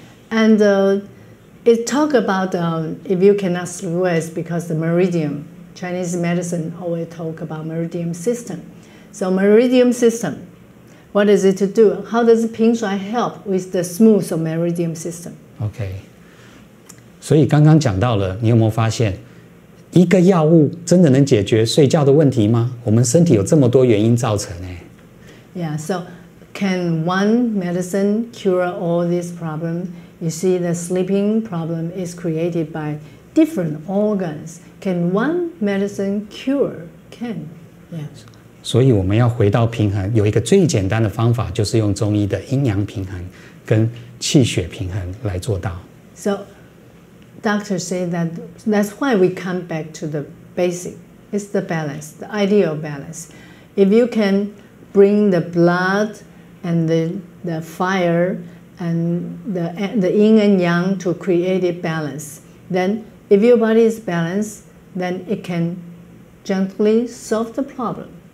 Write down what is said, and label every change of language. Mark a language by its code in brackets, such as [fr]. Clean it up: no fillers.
[en] And it talk about if you cannot sleep well, because the meridian, Chinese medicine always talk about meridian system. So meridian system, what is it to do? How does 平甩 help with the smooth of meridian system? Okay. [zh] 所以刚刚讲到了，你有没有发现？一个药物真的能解决睡觉的问题吗？我们身体有这么多原因造成诶。 [en] Yeah, so can one medicine cure all these problems? You see, the sleeping problem is created by different organs. Can one medicine cure? Can, yeah. [zh] 所以我们要回到平衡，有一个最简单的方法，就是用中医的阴阳平衡跟气血平衡来做到。 [en] So,Doctors say that that's why we come back to the basic. It's the balance, the ideal balance. If you can bring the blood and the fire and the yin and yang to create a balance, then if your body is balanced, then it can gently solve the problem.